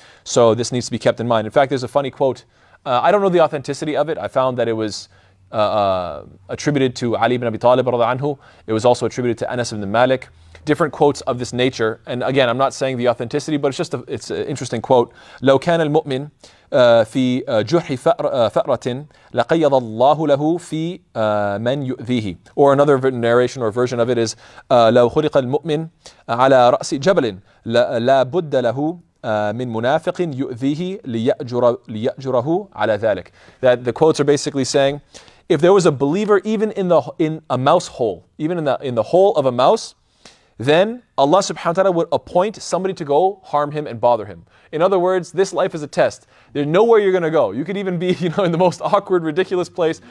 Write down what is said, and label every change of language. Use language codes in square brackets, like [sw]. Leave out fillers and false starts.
[en] So this needs to be kept in mind. In fact, there's a funny quote. I don't know the authenticity of it. I found that it was attributed to Ali ibn Abi Talib radhiyallahu anhu. It was also attributed to Anas ibn Malik. Different quotes of this nature. And again, I'm not saying the authenticity, but it's just it's an interesting quote. [ar] لو كان المؤمن في جرح فأرة لقيض الله له في من يؤذيه. [en] Or another narration or version of it is [ar] لو خلق المؤمن على رأس جبل لا بد له من منافق يؤذيه ليأجره على ذلك. [en] That the quotes are basically saying, if there was a believer even in a mouse hole, even in the hole of a mouse, then Allah subhanahu wa ta'ala would appoint somebody to go harm him and bother him. In other words, this life is a test. There's nowhere you're going to go. You could even be, you know, in the most awkward, ridiculous place.